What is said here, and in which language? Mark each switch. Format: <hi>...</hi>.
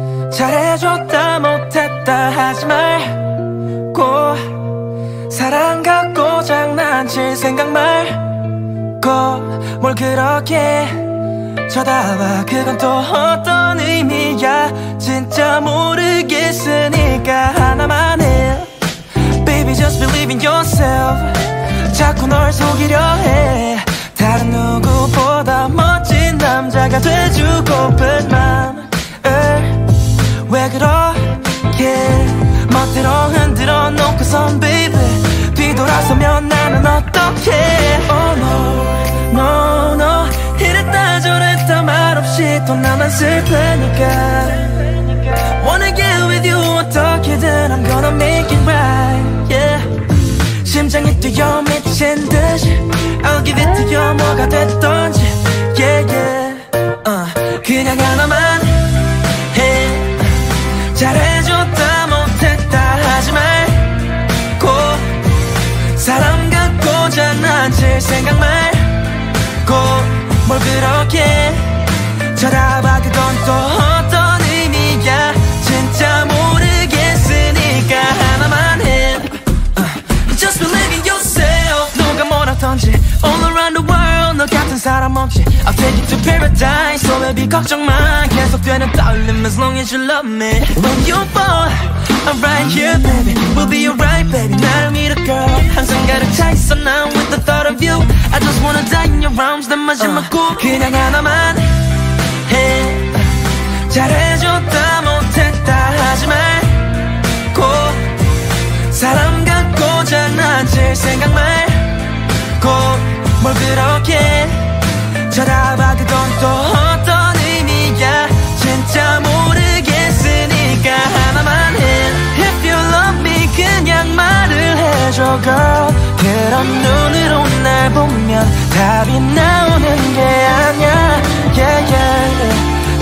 <ko>잘해줬다 못했다 하지 말고 사랑 갖고 장난칠 생각 말고 뭘 그렇게 쳐다봐. 그건 또 어떤 의미야. 진짜 모르겠으니까 하나만 해.</ko> <en>Baby just believe in yourself.</en> <ko>자꾸 널 속이려 해. 다른 누구보다 멋진 남자가 돼주고픈 맘을 왜 그렇게 멋대로 흔들어 놓고선 baby 뒤돌아서면 나는 어떡해.</ko> <en>Oh no no no</en> <ko>이랬다 저랬다 말없이 또 나만 슬프니까.</ko> <en>Wanna get with you</en> <ko>어떻게든</ko> <en>I'm gonna make it right yeah.</en> <ko>심장이 뛰어 미친 듯이</ko> <en>I'll give it to you</en> <ko>뭐가 됐던지</ko> <en>yeah yeah.</en> <ko>그냥 하나만 해. 잘해줬다 못했다 하지 말고 사람 같고 장난칠 생각 말고 뭘 그렇게 쳐다봐. 그건 또 어떤 의미야. 진짜 모르겠으니까 하나만 해.</ko> <en>Just believe in yourself.</en> <ko>누가 뭐라던지</ko> <en>All around the world</en> <ko>너 같은 사람 없지.</ko> <en>I'll take you to paradise. So baby</en> <ko>걱정 마.</ko> <en>계속되는 떨림 As long as you love me. When you fall I'm right here baby. We'll be alright baby.</en> <ko>나를 믿어</ko> <en>girl.</en> <ko>항상 가득 차 있어 난</ko> <en>with the thought of you. I just wanna die in your arms.</en> <ko>내 마지막 곡 그냥 하나만 해. 잘해줬다 못했다 하지 말고 사람 같고 장난칠 생각 말고 뭘 그렇게 쳐다봐. 그건 또 어떤 의미야. 진짜 모르겠으니까 하나만 해.</ko> <en>If you love me</en> <ko>그냥 말을 해줘</ko> <en>girl.</en> <ko>그런 눈으로 날 보면 답이 나오는 게 아니야</ko> <en>yeah yeah.</en>